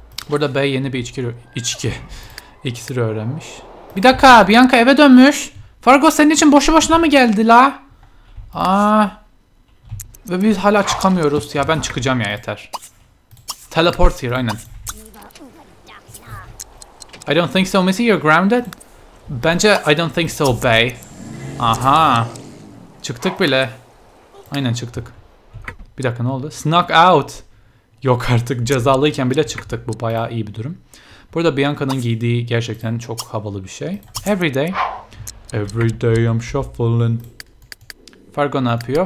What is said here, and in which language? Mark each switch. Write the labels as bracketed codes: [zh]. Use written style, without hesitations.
[tr] Burada Bey yeni bir içki. İksiri öğrenmiş. Bir dakika, Bianca eve dönmüş. Fargo senin için boşu boşuna mı geldi la? Ve biz hala çıkamıyoruz. Ya ben çıkacağım ya, yeter. [en] Teleport here, [tr] aynen. [en] I don't think so, Missy, you're grounded. [tr] Bence [en] I don't think so, Bey. [tr] Aha. Çıktık bile. Aynen çıktık. Bir dakika ne oldu? [en] Snuck out. [tr] Yok artık, cezalıyken bile çıktık. Bu bayağı iyi bir durum. Bu Burada Bianca'nın giydiği gerçekten çok havalı bir şey. [en] Every day. Every day I'm shuffling. Fargo [tr] ne yapıyor?